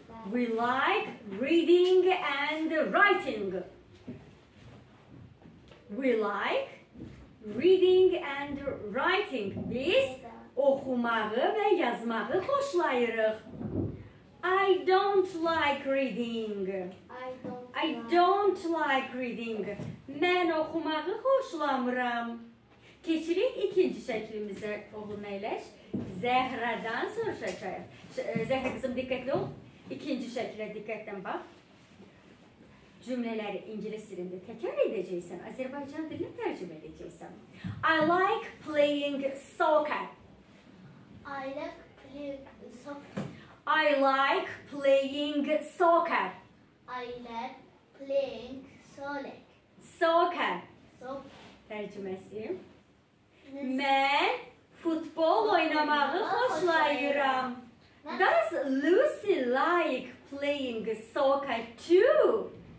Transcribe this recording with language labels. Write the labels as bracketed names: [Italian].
[English] We like reading and writing. We like reading and writing. [Azerbaijani] Biz oxumağı və yazmağı xoşlayırıq. [English] I don't like reading. I don't like reading. [Azerbaijani] Mən oxumağı xoşlamıram. Keçirik ikinci şəklimizə, oğlum əyləş. Zəhradan soruşacaq. Zəhra qızım, diqqətli ol. İkinci şəklə diqqətdən bax. Cümlələri ingilis dilində təkrar edəcəksən, Azərbaycan dilində tərcümə edəcəksən. [English] I like playing soccer. I like playing soccer. I like playing soccer. I like playing soccer. [Azerbaijani] Soccer. Tərcüməsi. Mən futbol oynamağı xoşlayıram. [English] Does Lucy like playing soccer too?